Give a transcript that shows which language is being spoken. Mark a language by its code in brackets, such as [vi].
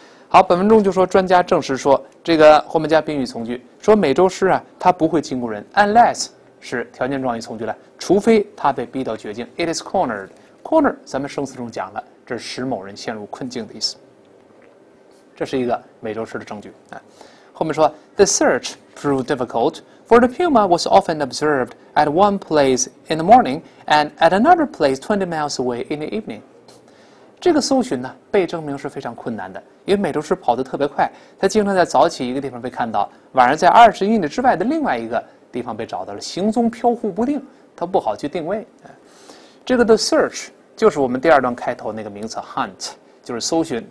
[zh] 好，本文中就说专家证实说，这个后面加宾语从句，说美洲狮啊它不会进攻人 unless是条件状语从句了，除非他被逼到绝境。 [en] It is cornered。 [zh] corner 咱们生词中讲了，这是使某人陷入困境的意思。这是一个美洲狮的证据。后面说 [en] ，The search proved difficult, for the puma was often observed at one place in the morning and at another place 20 miles away in the evening。 [zh] 这个搜寻呢，被证明是非常困难的，因为美洲狮跑得特别快，它经常在早起一个地方被看到，晚上在二十英里之外的另外一个地方被找到了，行踪飘忽不定，它不好去定位。这个的 search 就是我们第二段开头那个名词 hunt， 就是搜寻。